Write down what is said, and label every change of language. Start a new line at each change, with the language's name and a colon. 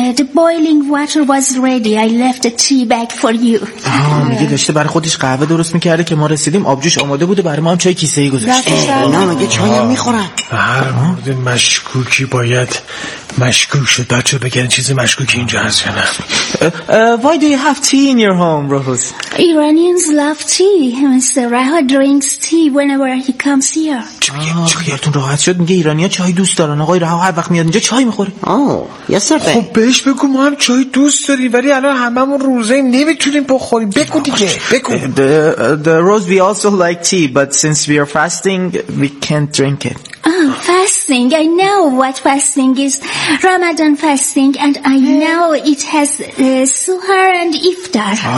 English: The boiling water was ready. I left the tea bag for you.
Persian: میگه داشته برای خودش قهوه درست میکرده که ما رسیدیم آبجوش آماده بوده، برای ما هم چای کیسه ای گذاشته. نه مگه چای هم میخورن؟ هر مورد مشکوکی باید مشکوک شد. بچه بگن چیز مشکوکی اینجا هست یا نه.
English: Why do you have tea in your home, Rose? Iranians love tea. Mr. Raha drinks tea whenever he comes here.
Persian: خیالتون راحت شد، میگه ایرانی ها چای دوست دارن. آقای رها هر وقت میاد اینجا چای میخوره. خب بهش بگو ما هم چای دوست داریم، ولی الان هممون روزاییم نمیتونیم بخوریم. بگو دیگه بگو.
English: The rose we also like tea but since we are fasting we can't drink it. Fasting fasting. I know what fasting is. Ramadan fasting and I know it has suhar and iftar.